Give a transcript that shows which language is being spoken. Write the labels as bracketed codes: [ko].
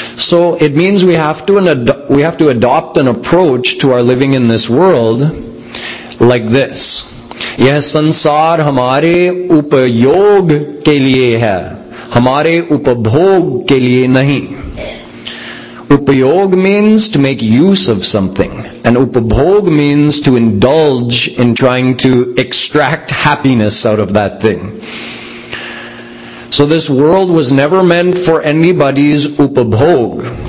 [en] So it means we have to adopt an approach to our living in this world like this. [hi] यह संसार हमारे उपयोग के लिए है, हमारे उपभोग के लिए नहीं. [en] Upayog means to make use of something, and upabhog means to indulge in trying to extract happiness out of that thing. So this world was never meant for anybody's upabhog.